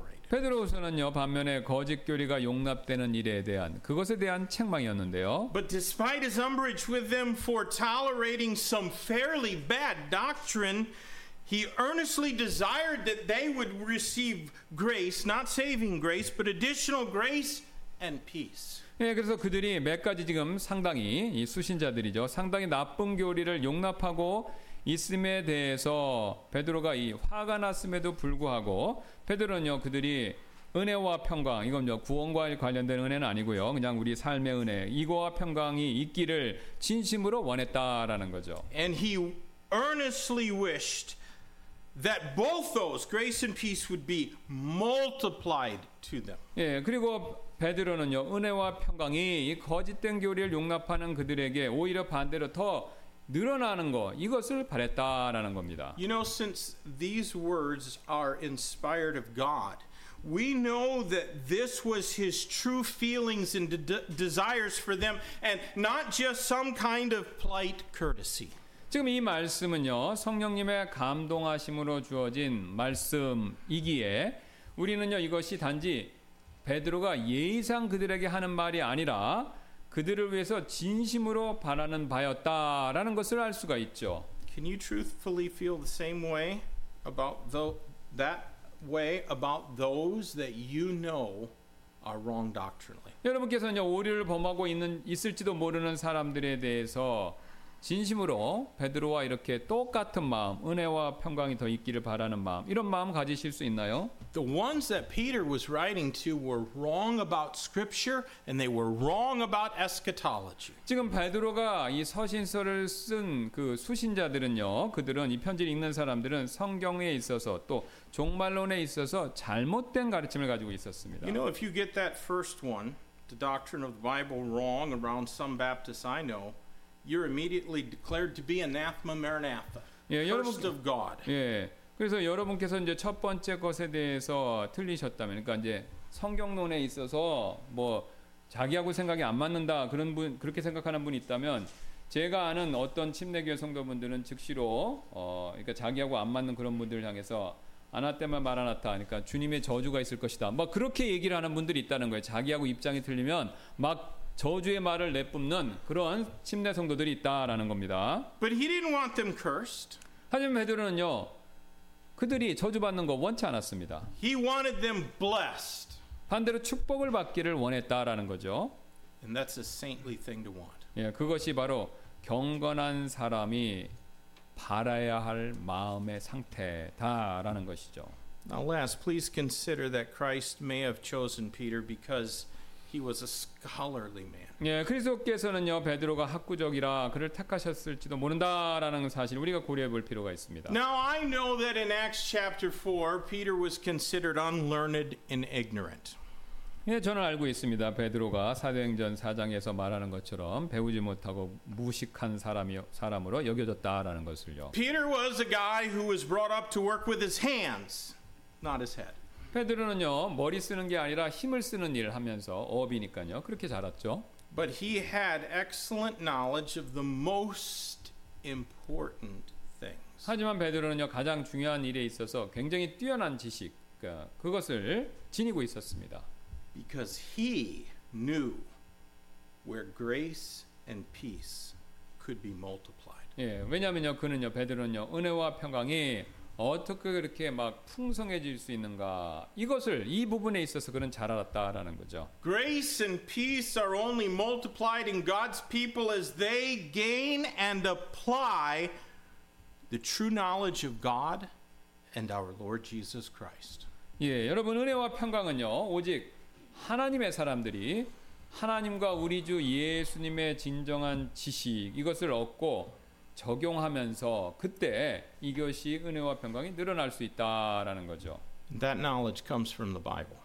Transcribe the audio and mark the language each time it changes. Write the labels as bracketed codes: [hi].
[ko] 베드로후서는요 반면에 거짓 교리가 용납되는 일에 대한 그것에 대한 책망이었는데요. [en] But despite his umbrage with them for tolerating some fairly bad doctrine, he earnestly desired that they would receive grace, not saving grace, but additional grace and peace. [ko] 예, 그래서 그들이 몇 가지 지금 상당히 이 수신자들이죠. 상당히 나쁜 교리를 용납하고 있음에 대해서 베드로가 이 화가 났음에도 불구하고 베드로는요 그들이 은혜와 평강 이건요 구원과 관련된 은혜는 아니고요 그냥 우리 삶의 은혜 이거와 평강이 있기를 진심으로 원했다라는 거죠. [en] And he earnestly wished that both those grace and peace would be multiplied to them. [ko] 예, 그리고 베드로는요 은혜와 평강이 이 거짓된 교리를 용납하는 그들에게 오히려 반대로 더 늘어나는 거 이것을 바랬다라는 겁니다. [en] You know, since these words are inspired of God, we know that this was his true feelings and desires for them, and not just some kind of polite courtesy. [ko] 지금 이 말씀은요 성령님의 감동하심으로 주어진 말씀이기에 우리는요 이것이 단지 베드로가 예의상 그들에게 하는 말이 아니라 그들을 위해서 진심으로 바라는 바였다라는 것을 알 수가 있죠. [en] Can you truthfully feel the same way about that way about those that you know are wrong doctrinally? [ko] 여러분께서는 오류를 범하고 있을지도 모르는 사람들에 대해서 진심으로 베드로와 이렇게 똑같은 마음, 은혜와 평강이 더 있기를 바라는 마음, 이런 마음 가지실 수 있나요? [en] The ones that Peter was writing to were wrong about scripture and they were wrong about eschatology. [ko] 지금 베드로가 이 서신서를 쓴 그 수신자들은요, 그들은 이 편지를 읽는 사람들은 성경에 있어서 또 종말론에 있어서 잘못된 가르침을 가지고 있었습니다. [en] You know, if you get that first one, the doctrine of the Bible wrong around some Baptists I know, you're immediately declared to be anathema maranatha, cursed of God. [ko] 예, 그래서 여러분께서 이제 첫 번째 것에 대해서 틀리셨다면, 그러니까 이제 성경론에 있어서 뭐 자기하고 생각이 안 맞는다 그런 분 그렇게 생각하는 분이 있다면, 제가 아는 어떤 침례교 성도분들은 즉시로 그러니까 자기하고 안 맞는 그런 분들을 향해서 아나테마 마라나타, 그러니까 주님의 저주가 있을 것이다, 막 그렇게 얘기를 하는 분들이 있다는 거예요. 자기하고 입장이 틀리면 막 저주의 말을 내뿜는 그런 침례 성도들이 있다라는 겁니다. [en] But he didn't want them cursed. [ko] 하지만 베드로는요, 그들이 저주받는 거 원치 않았습니다. [en] He wanted them blessed. [ko] 반대로 축복을 받기를 원했다라는 거죠. [en] And that's a saintly thing to want. [ko] 예, 그것이 바로 경건한 사람이 바라야 할 마음의 상태다라는 것이죠. [en] Now last, please consider that Christ may have chosen Peter because he was a scholarly man. [ko] 예, 그리스도께서는요 베드로가 학구적이라 그를 택하셨을지도 모른다라는 사실 우리가 고려해 볼 필요가 있습니다. [en] Now I know that in Acts chapter 4 Peter was considered unlearned and ignorant. [ko] 예, 저는 알고 있습니다. 베드로가 사도행전 4장에서 말하는 것처럼 배우지 못하고 무식한 사람으로 여겨졌다라는 것을요. [en] Peter was a guy who was brought up to work with his hands, not his head. [ko] 베드로는요 머리 쓰는 게 아니라 힘을 쓰는 일을 하면서 어업이니까요 그렇게 자랐죠. [en] But he had excellent knowledge of the most important things. [ko] 하지만 베드로는요 가장 중요한 일에 있어서 굉장히 뛰어난 지식, 그러니까 그것을 지니고 있었습니다. [en] Because he knew where grace and peace could be multiplied. [ko] 예, 왜냐면요 그는요 베드로는요 은혜와 평강이 어떻게 그렇게 막 풍성해질 수 있는가 이것을 이 부분에 있어서 그는 잘 알았다라는 거죠. [en] Grace and peace are only multiplied in God's people as they gain and apply the true knowledge of God and our Lord Jesus Christ. [ko] 예, 여러분 은혜와 평강은요 오직 하나님의 사람들이 하나님과 우리 주 예수님의 진정한 지식 이것을 얻고 적용하면서 그때 이것이 은혜와 평강이 늘어날 수 있다라는 거죠. [en] That knowledge comes from the Bible.